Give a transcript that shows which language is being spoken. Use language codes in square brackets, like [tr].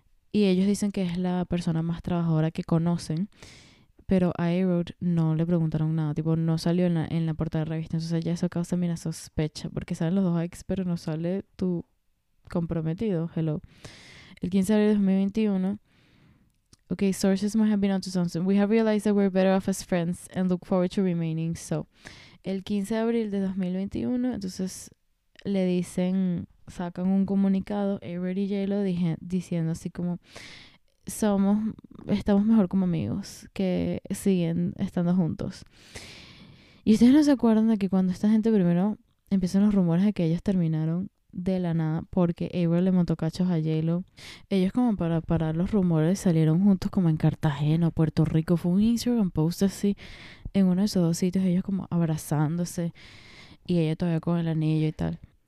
[es] Y ellos dicen que es la persona más trabajadora que conocen, pero a A-Rod no le preguntaron nada, tipo, no salió en la portada de la revista, entonces ya eso causa mira sospecha, porque salen los dos ex, pero no sale tu comprometido, hello. El 15 de abril de 2021, ok, [en] sources might have been onto something. We have realized that we're better off as friends and look forward to remaining so. [es] El 15 de abril de 2021, entonces le dicen, sacan un comunicado, A-Rod y J-Lo dije, diciendo así como, estamos mejor como amigos, que siguen estando juntos. Y ustedes no se acuerdan de que cuando esta gente primero empiezan los rumores de que ellos terminaron de la nada porque A-Rod le montó cachos a J-Lo, ellos como para parar los rumores salieron juntos como en Cartagena o Puerto Rico, fue un Instagram post así, en uno de esos dos sitios, ellos como abrazándose y ella todavía con el anillo y tal.